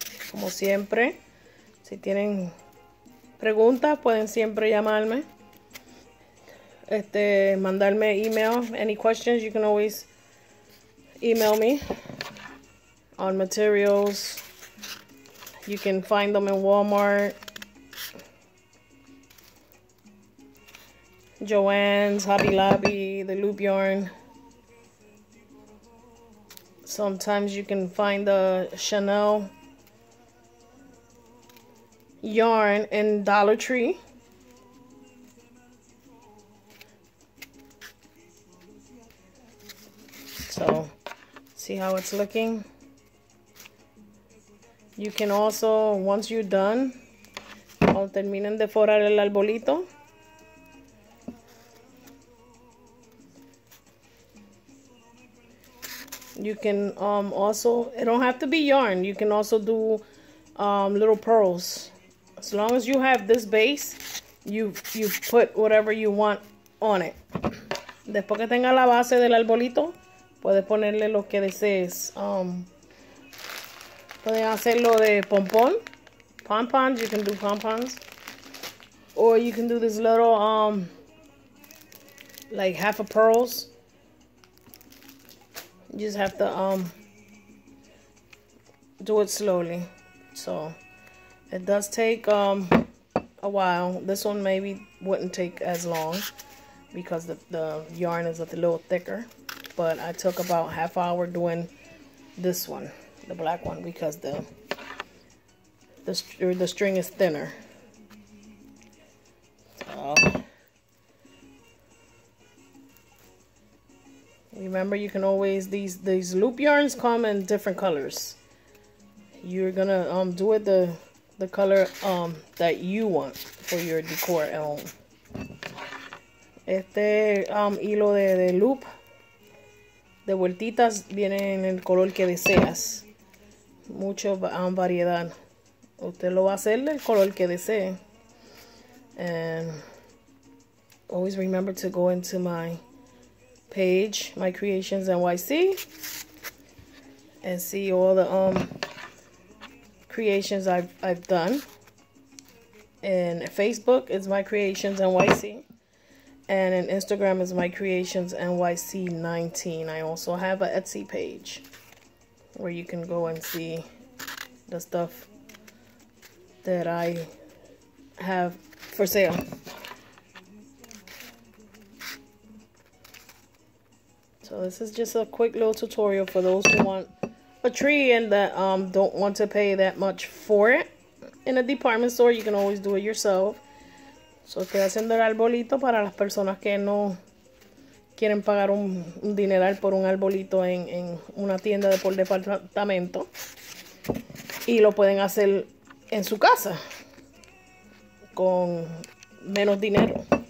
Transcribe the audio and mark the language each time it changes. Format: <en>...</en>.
<es>Como siempre, si tienen preguntas, pueden siempre llamarme, mandarme email.</es> <en>Any questions, you can always email me on materials. You can find them in Walmart, Joann's, Hobby Lobby, the loop yarn. Sometimes you can find the Chanel yarn in Dollar Tree. So, see how it's looking. You can also, once you're done,</en> <es>cuando terminen de forrar el arbolito,</es> <en>you can also, it don't have to be yarn, you can also do little pearls. As long as you have this base, you put whatever you want on it.</en> <es>Después que tenga la base del arbolito, puedes ponerle lo que desees. Pueden hacerlo de pompón.</es> <en>Pompons, you can do pompons. Or you can do this little, like half a pearls. You just have to, do it slowly. So it does take a while. This one maybe wouldn't take as long because the yarn is a little thicker. But I took about half hour doing this one, the black one, because the string is thinner. So, remember, you can always, these loop yarns come in different colors. You're gonna do it the color that you want for your decor at home.</en> <es>Este hilo de loop de vueltitas viene en el color que deseas. Mucho variedad. Usted lo va a hacer el color que desee.</es> <en>And always remember to go into my page, my creations NYC, and see all the creations I've done. And Facebook is my creations NYC, and in Instagram is my creations NYC19. I also have an Etsy page where you can go and see the stuff that I have for sale. So this is just a quick little tutorial for those who want a tree and that don't want to pay that much for it in a department store. You can always do it yourself.</en> <es>So estoy haciendo el arbolito para las personas que no quieren pagar un dineral por un arbolito en una tienda de por departamento, y lo pueden hacer en su casa con menos dinero.</es>